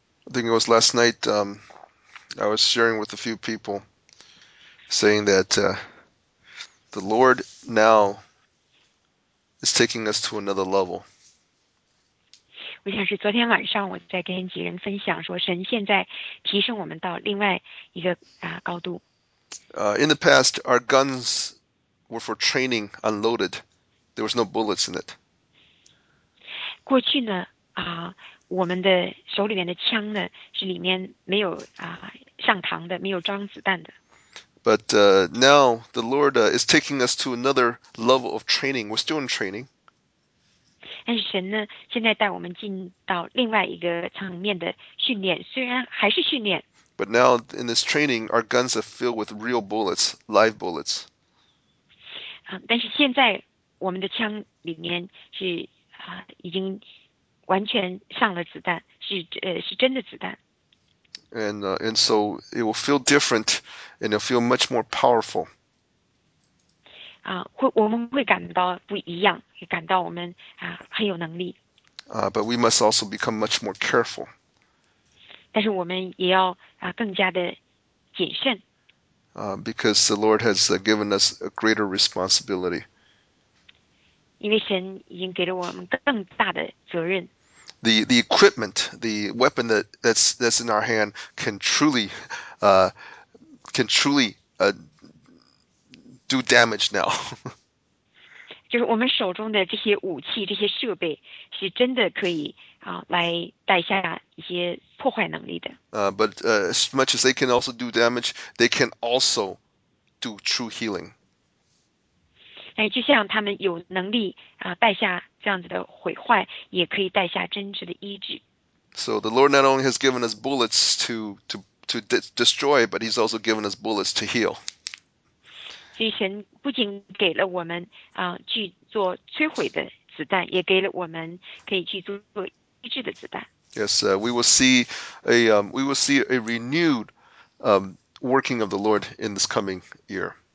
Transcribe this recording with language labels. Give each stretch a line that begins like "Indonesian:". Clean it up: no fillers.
English: I think it was last night, I was sharing with a few people saying that the Lord now is taking us to another level.
Chinese: 我想是昨天晚上我在跟几人分享说神现在提升我们到另外一个高度。
English: In the past, our guns were for training unloaded. There was no bullets in it.
Chinese: 过去呢我们的手里面的枪呢是里面没有上膛的，没有装子弹的。
English: But now the Lord is taking us to another level of training. We're still in training.
Chinese: 但是神呢现在带我们进到另外一个层面的训练，虽然还是训练。
English: But now in this training, our guns are filled with real bullets, live bullets.
Chinese: 但是现在我们的枪里面是已经完全上了子弹，是真的子弹。
English: And so it will feel different, and it'll feel much more powerful.
Chinese: 我们会感到不一样，感到我们很有能力。
English: But we must also become much more careful.
Chinese: 但是我们也要更加的谨慎。
English: Because the Lord has given us a greater responsibility.
Chinese: 因为神已经给了我们更大的责任。
English: The equipment, the weapon that's in our hand can truly do damage now.
Chinese: 就是我们手中的这些武器、这些设备是真的可以来带下一些破坏能力的。
English: But as much as they can also do damage, they can also do true healing.
Chinese: 就像他们有能力带下这样子的毁坏，也可以带下真实的医治。
English: So the Lord not only has given us bullets to destroy, but He's also given us bullets to heal.
Chinese: 所以神不仅给了我们去做摧毁的子弹，也给了我们可以去做医治的子弹。
English: Yes, we will see a renewed working of the Lord in this coming year.